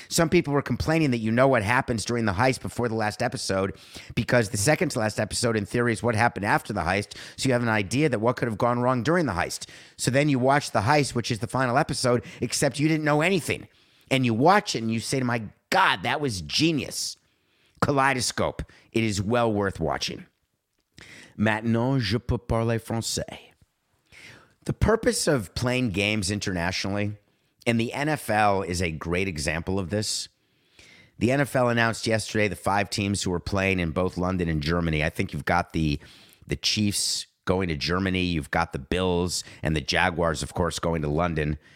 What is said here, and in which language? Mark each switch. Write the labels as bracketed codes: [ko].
[en] Some people were complaining that you know what happens during the heist before the last episode, because the second to last episode, in theory, is what happened after the heist, so you have an idea that what could have gone wrong during the heist. So then you watch the heist, which is the final episode, except you didn't know anything. And you watch it, and you say, my God, that was genius. Kaleidoscope. It is well worth watching. [fr] Maintenant, je peux parler français. [en] The purpose of playing games internationally, and the NFL is a great example of this. The NFL announced yesterday the five teams who are playing in both London and Germany. I think you've got the Chiefs going to Germany. You've got the Bills and the Jaguars, of course, going to London.